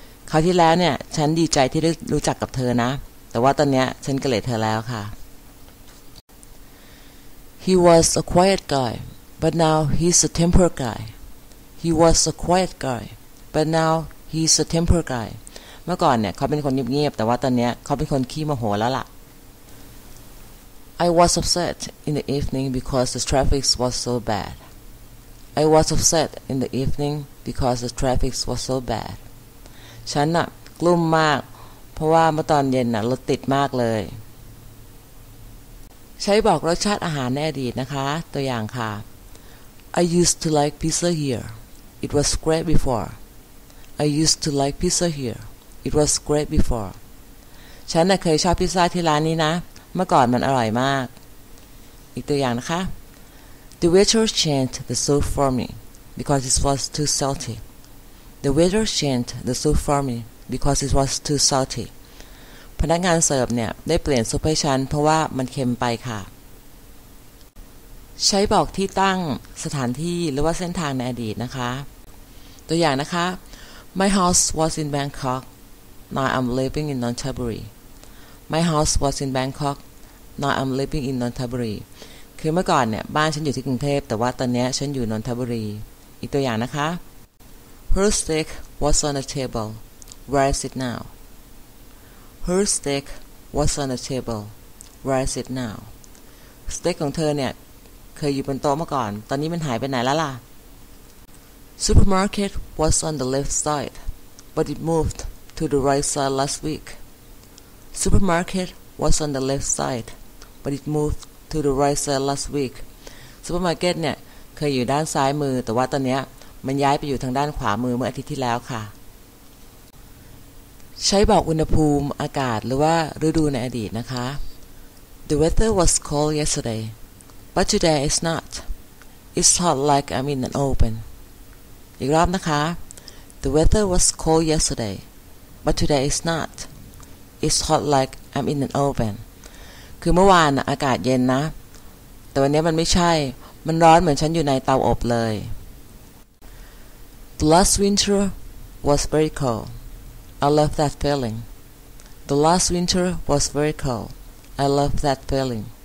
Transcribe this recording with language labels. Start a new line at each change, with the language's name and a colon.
Thai: คราวที่แล้วเนี่ยฉันดีใจที่ได้รู้จักกับเธอนะแต่ว่าตอนนี้ฉันเกลียดเธอแล้วค่ะ
English: He was a quiet guyBut now he's a temper guy. He was a quiet guy. But now he's a temper guy.
Thai: เมื่อก่อนเนี่ยเขาเป็นคนเงียบๆแต่ว่าตอนนี้เขาเป็นคนขี้โมโหแล้วล่ะ
English: I was upset in the evening because the traffic was so bad. I was upset in the evening because the traffic was so bad.
Thai: ฉันน่ะกลุ้มมากเพราะว่าเมื่อตอนเย็นน่ะรถติดมากเลยใช้บอกรสชาติอาหารในอดีตนะคะตัวอย่างค่ะ
English: I used to like pizza here. It was great before. I used to like pizza here. It was great before.
Thai: ฉันน่ะเคยชอบพิซซ่าที่ร้านนี้นะเมื่อก่อนมันอร่อยมากอีกตัวอย่างนะคะ
English: The waitress changed the soup for me because it was too salty. The waitress changed the soup for me because it was too salty.
Thai: พนักงานเสิร์ฟเนี่ยได้เปลี่ยนซุปให้ฉันเพราะว่ามันเค็มไปค่ะใช้บอกที่ตั้งสถานที่หรือว่าเส้นทางในอดีตนะคะตัวอย่างนะคะ
English: My house was in Bangkok. Now I'm living in Nonthaburi. My house was in Bangkok. Now I'm living in Nonthaburi.
Thai: คือเมื่อก่อนเนี่ยบ้านฉันอยู่ที่กรุงเทพแต่ว่าตอนนี้ฉันอยู่นนทบุรีอีกตัวอย่างนะคะ
English: Her steak was on the table. Where is it now? Her steak was on the table. Where is it now?
Thai: สเต็กของเธอเนี่ยเคยอยู่บนโต๊ะเมื่อก่อนตอนนี้มันหายไปไหนแล้วล่ะ
English: Supermarket was on the left side, but it moved to the right side last week. Supermarket was on the left side, but it moved to the right side last week.
Thai: Supermarket เนี่ยเคยอยู่ด้านซ้ายมือแต่ว่าตอนนี้มันย้ายไปอยู่ทางด้านขวามือเมื่ออาทิตย์ที่แล้วค่ะใช้บอกอุณหภูมิอากาศหรือว่าฤดูในอดีตนะคะ
English: The weather was cold yesterdayBut today it's not. It's hot like I'm in an oven.
Thai: อีกรอบนะคะ
English: The weather was cold yesterday, but today it's not. It's hot like I'm in an oven.
Thai: คือเมื่อวานอากาศเย็นนะแต่วันนี้มันไม่ใช่มันร้อนเหมือนฉันอยู่ในเตาอบเลย
English: The last winter was very cold. I love that feeling. The last winter was very cold. I love that feeling